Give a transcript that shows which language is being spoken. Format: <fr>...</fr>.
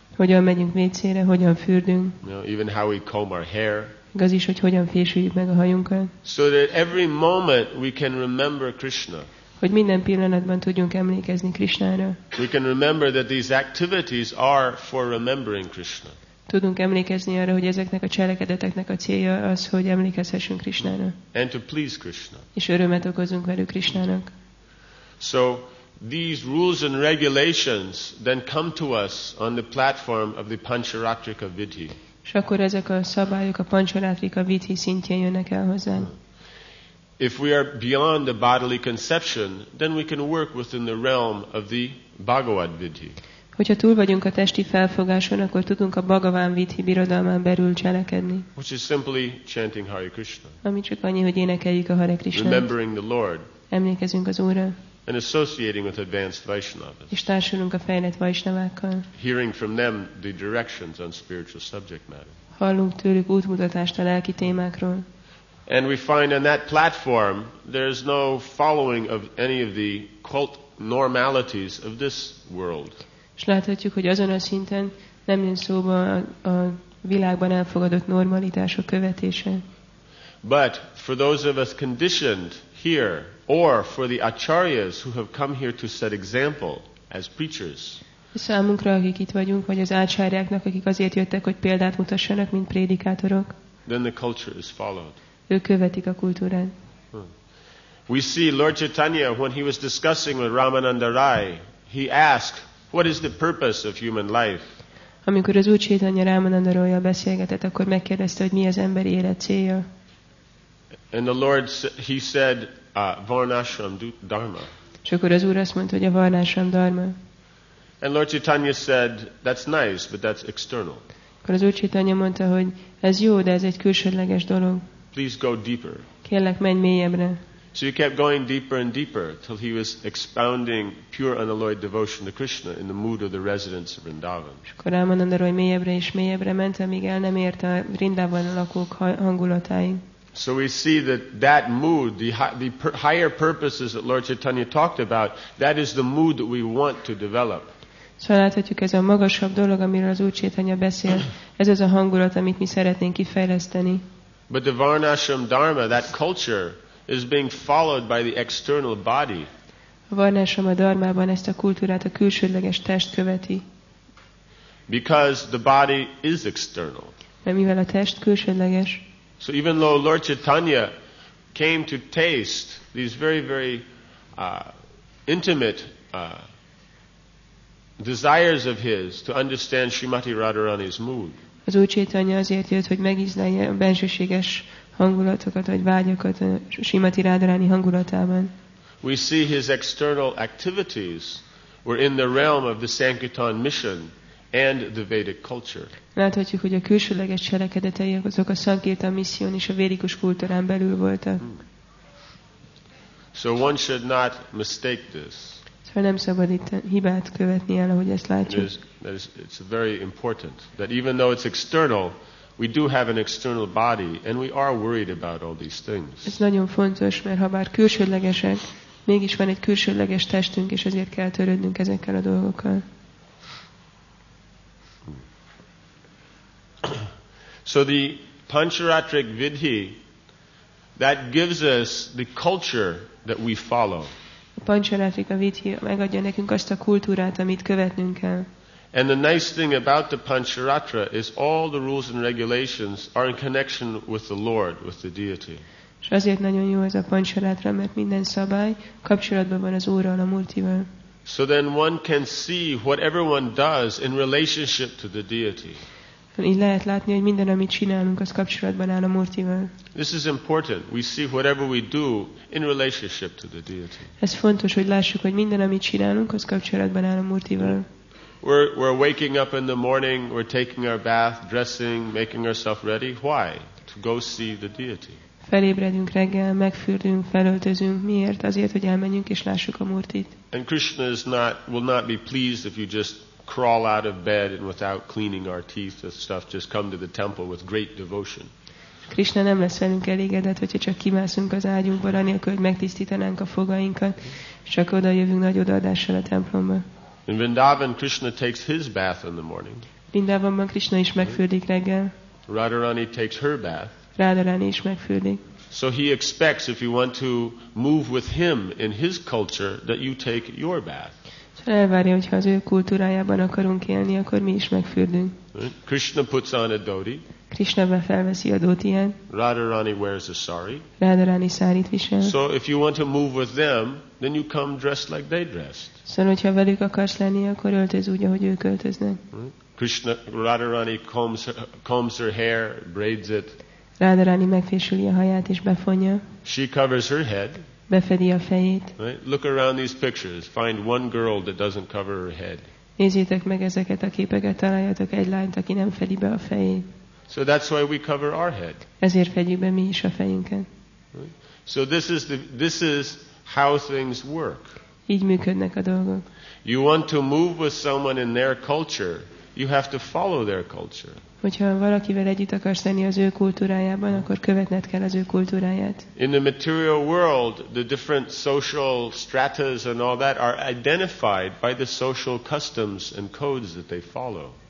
<hu>Hogyan megyünk vécére, hogyan fürdünk.</hu> <en>You know, even how we comb our hair.</en> <hu>Igaz is, hogy hogyan fésüljük meg a hajunkat.</hu> <en>So that every moment we can remember Krishna.</en> <hu>Hogy minden pillanatban tudjunk emlékezni Krishnára.</hu> <en>We can remember that these activities are for remembering Krishna.</en> <hu>Tudunk emlékezni arra, hogy ezeknek a cselekedeteknek a célja az, hogy emlékezhessünk Krishnára.</hu> <en>And to please Krishna.</en> <hu>És örömet okozunk velük Krishnának.</hu> <en>So these rules and regulations then come to us on the platform of the Pancharatrika Vidhi.</en> <hu>És akkor ezek a szabályok a Pancharatrika Vidhi szintjén jönnek el hozzánk.</hu> <en>If we are beyond the bodily conception, then we can work within the realm of the Bhagavad Vidhi.</en> <hu>Hogyha túl vagyunk a testi felfogáson, akkor tudunk a Bhagavan Vidhi birodalmán belül cselekedni.</hu> <en>Which is simply chanting Hare Krishna.</en> <hu>Ami csak annyi, hogy énekeljük a Hare Krishnát.</hu> <en>Remembering the Lord.</en> <hu>Emlékezünk az Úrra.</hu> <en>And associating with advanced Vaishnavas.</en> <hu>És társulunk a fejlett Vaishnavákkal.</hu> <en>Hearing from them the directions on spiritual subject matter.</en> <hu>Hallunk tőlük útmutatást a lelki témákról.</hu> <en>And we find on that platform there is no following of any of the cult normalities of this world.</en> <hu>És láthatjuk, hogy azon a szinten nem jön szóba a világban elfogadott normalitások követése.</hu> <en>But for those of us conditioned here, or for the acharyas who have come here to set example as preachers.</en> <hu>Számunkra, akik itt vagyunk, vagy az ácsárjáknak, akik azért jöttek, hogy példát mutassanak, mint prédikátorok.</hu> <en>Then the culture is followed.</en> <hu>Ők követik a kultúrán.</hu> <en>We see Lord Chaitanya, when he was discussing with Ramananda Rai, he asked, what is the purpose of human life?</en> <hu>Amikor az Úr Chaitanya Ramananda Rai-jal beszélgetett, akkor megkérdezte, hogy mi az emberi élet célja.</hu> <en>And the Lord, he said, Varnashram Dharma.</en> <hu>És akkor az Úr azt mondta, hogy a Varnashram Dharma.</hu> <en>And Lord Chaitanya said, that's nice, but that's external.</en> <hu>Akkor az Úr Chaitanya mondta, hogy ez jó, de ez egy külsődleges dolog.</hu> <en>Please go deeper.</en> <hu>Kérlek, menj mélyebbre.</hu> <en>So he kept going deeper and deeper till he was expounding pure unalloyed devotion to Krishna in the mood of the residents of Vrindavan.</en> <hu>És akkor Ramananda Rai mélyebbre és mélyebbre ment, amíg el nem ért a Vrindavan lakók hangulatáig.</hu> <en>So we see that mood, the higher purposes that Lord Chaitanya talked about, that is the mood that we want to develop.</en> <hu>Szóval láthatjuk, ez a magasabb dolog, amiről az Úr Chaitanya beszél, ez az a hangulat, amit mi szeretnénk kifejleszteni.</hu> <en>But the Varnashram Dharma, that culture, is being followed by the external body.</en> <hu>A Varnashrama Dharmában ezt a kultúrát a külsődleges test követi.</hu> <en>Because the body is external.</en> <hu>Mert mivel a test külsődleges.</hu> <en>So even though Lord Chaitanya came to taste these very, very intimate desires of his to understand Srimati Radharani's mood.</en> <hu>Az Úr Chaitanya azért jött, hogy megízlelje a bensőséges hangulatokat, vagy vágyakat a Srimati Radharani hangulatában.</hu> <en>We see his external activities were in the realm of the Sankirtan mission and the Vedic culture.</en> <hu>Láthatjuk, hogy a külsőleges cselekedetei azok a Sankirtan misszión és a védikus kultúrán belül voltak.</hu> <en>So one should not mistake this.</en> <hu>fel nem szabad itt hibát követni el, ahogy ezt látjuk.</hu> <en>It's very important that even though it's external, we do have an external body, and we are worried about all these things.</en> <hu>Ez nagyon fontos, mert ha bár külsődlegesek, mégis van egy külsődleges testünk, és ezért kell törődnünk ezekkel a dolgokkal.</hu> <en>So the Pancharatrik Vidhi, that gives us the culture that we follow.</en> <hu>A Pancharatrika Vidhi megadja nekünk azt a kultúrát, amit követnünk kell.</hu> <en>And the nice thing about the Pancharatra is all the rules and regulations are in connection with the Lord, with the deity.</en> <hu>És azért nagyon jó ez a Pancharatra, mert minden szabály kapcsolatban van az Úrral, a Multival.</hu> <en>So then one can see what everyone does in relationship to the deity.</en> <hu>Így lehet látni, hogy minden, amit csinálunk, az kapcsolatban áll a Murtival.</hu> <en>This is important. We see whatever we do in relationship to the deity.</en> <hu>Ez fontos, hogy lássuk, hogy minden, amit csinálunk, az kapcsolatban áll a Murtival.</hu> <en>We're waking up in the morning, we're taking our bath, dressing, making ourselves ready. Why? To go see the deity.</en> <hu>Felébredünk reggel, megfürdünk, felöltözünk. Miért? Azért, hogy elmenjünk és lássuk a Murtit.</hu> <en>And Krishna will not be pleased if you just crawl out of bed and without cleaning our teeth and stuff, just come to the temple with great devotion.</en> <hu>Krishna nem lesz velünk elégedett, hogyha csak kimászunk az ágyunkból, anélkül, hogy megtisztítanánk a fogainkat, csak oda jövünk nagy odaadással a templomba.</hu> <en>In Vrindavan, Krishna takes his bath in the morning.</en> <hu>Vrindavanban Krishna is megfürdik reggel.</hu> <en>Radharani takes her bath.</en> <hu>Radharani is megfürdik.</hu> <en>So he expects, if you want to move with him in his culture, that you take your bath.</en> <hu>Elvárja, hogyha az ő kultúrájában akarunk élni, akkor mi is megfürdünk.</hu> <en>Krishna puts on a dhoti.</en> <hu>Krishna felveszi a dhotiját.</hu> <en>Radharani wears a sari.</en> <hu>Radharani sárit visel.</hu> <en>So if you want to move with them, then you come dressed like they dressed.</en> <hu>Szóval, hogyha velük akarsz lenni, akkor öltöz úgy, ahogy ők öltöznek.</hu> <en>Krishna, Radharani combs her hair, braids it.</en> <hu>Radharani megfésüli a haját és befonja.</hu> <en>She covers her head.</en> <hu>Befedi a fejét.</hu> <en>Right? Look around these pictures. Find one girl that doesn't cover her head.</en> <hu>Nézzétek meg ezeket a képeket, találjátok egy lányt, aki nem fedi be a fejét.</hu> <en>So that's why we cover our head.</en> <hu>Ezért fedjük be mi is a fejünket.</hu> <en>Right? So this is how things work.</en> <hu>Így működnek a dolgok.</hu> <en>You want to move with someone in their culture, you have to follow their culture.</en> <hu>Hogyha valakivel együtt akarsz lenni az ő kultúrájában, akkor követned kell az ő kultúráját.</hu> <en>In the material world, the different social stratas and all that are identified by the social customs and codes that they follow.</en>